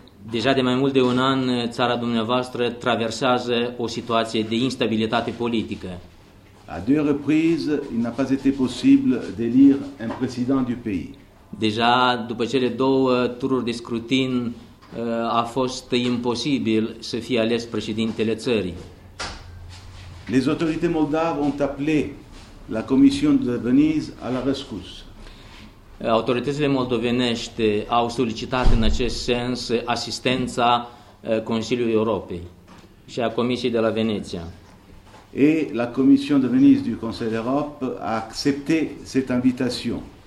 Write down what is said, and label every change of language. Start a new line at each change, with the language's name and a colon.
Romanian: Deja de mai mult de un an, țara dumneavoastră traversează o situație de instabilitate politică.
French: À deux reprises, il n'a pas été possible d'élire un président du pays.
Romanian: Déjà, după cele două tururi de scrutin, a fost imposibil să fie ales președintele țării.
French: Les autorités moldaves ont appelé la Commission de Venise à la rescousse.
Romanian: Autoritățile moldovenești au solicitat în acest sens asistența Consiliului Europei și a Comisiei de la Veneția.
French: Et la Commission de Venise du Conseil d'Europe a accepté cette invitation.